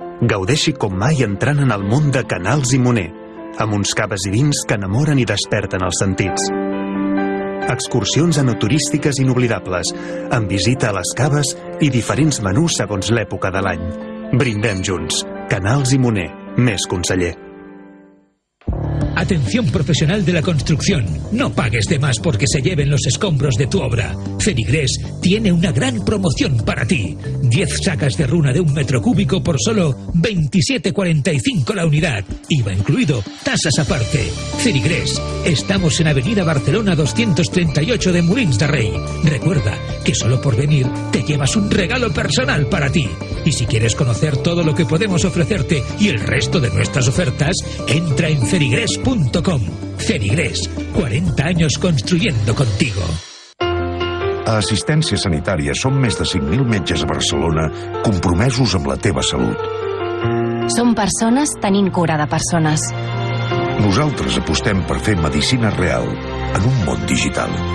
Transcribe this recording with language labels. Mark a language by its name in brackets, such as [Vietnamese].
[Catalan] Gaudeixi com mai entrant en el món de Canals i Moner, amb uns caves i vins que enamoren i desperten els sentits. Excursions enoturístiques inoblidables, amb visita a les caves i diferents menús segons l'època de l'any. Brindem junts. Canals i Moner, més conseller. [Spanish] Atención profesional de la construcción. No pagues de más porque se lleven los escombros de tu obra. Ferigrés tiene una gran promoción para ti. 10 sacas de runa de un metro cúbico por solo 27,45 la unidad. IVA incluido, tasas aparte. Ferigrés, estamos en Avenida Barcelona 238 de Molins de Rey. Recuerda que solo por venir te llevas un regalo personal para ti. Y si quieres conocer todo lo que podemos ofrecerte y el resto de nuestras ofertas, entra en ferigrés.com. Ferigrés, 40 años construyendo contigo. [Catalan] A Assistència Sanitària som més de 5.000 metges a Barcelona compromesos amb la teva salut. Som persones tenint cura de persones. Nosaltres apostem per fer medicina real en un món digital.